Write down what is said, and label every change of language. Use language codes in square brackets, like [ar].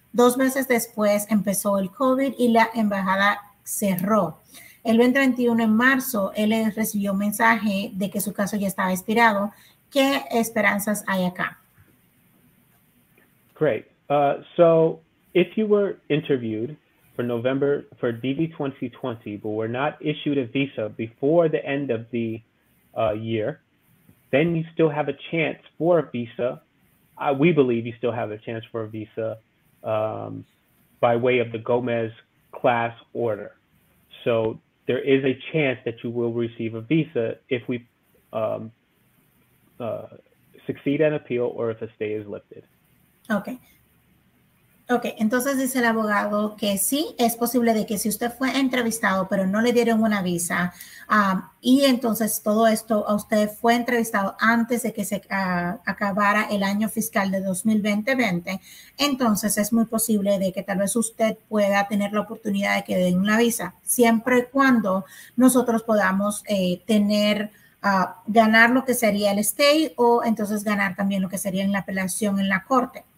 [es] 2 meses después empezó el COVID y la embajada cerró. El 2021 en marzo, él recibió un mensaje de que su caso ya estaba expirado. ¿Qué esperanzas hay acá? [en] Great. So if you were interviewed for November for DV 2020, but were not issued a visa before the end of the year, then you still have a chance for a visa. We believe you still have a chance for a visa by way of the Gomez class order. So there is a chance that you will receive a visa if we succeed in appeal or if a stay is lifted. Okay. [es] Ok, entonces dice el abogado que sí, es posible de que si usted fue entrevistado, pero no le dieron una visa, y entonces todo esto a usted fue entrevistado antes de que se acabara el año fiscal de 2020, entonces es muy posible de que tal vez usted pueda tener la oportunidad de que den una visa, siempre y cuando nosotros podamos ganar lo que sería el stay o entonces ganar también lo que sería en la apelación en la corte.